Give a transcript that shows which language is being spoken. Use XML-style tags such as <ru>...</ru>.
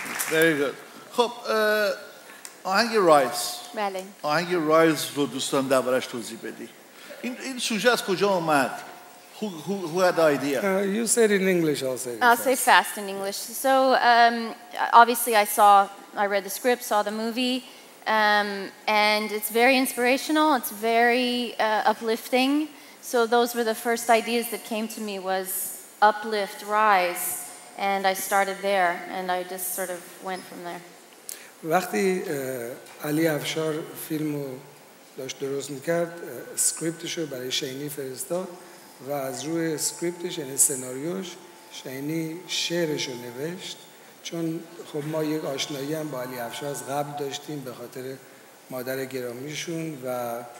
<en>Very good.</en> <fa>خب آهنگ رایز. بله. آهنگ رایز رو دوستان دربارش توضیح بدی. این سوژه از کجا اومد؟</fa> <en>Who had the idea? You said in English, I'll say it. I'll say fast in English. So obviously I read the script, saw the movie, and it's very inspirational. It's very uplifting. So those were the first ideas that came to me was uplift, rise. And I started there, and I just sort of went from there.</en> <fa>وقتی علی افشار فیلمو داشت درست میکرد، سکریپتشو برای شینی فرستاد و از روی سکریپتش یعنی سناریوش شینی شعرشو نوشت. چون خب ما یک آشنایی هم با علی افشار از قبل داشتیم به خاطر مادر گرامیشون و</fa>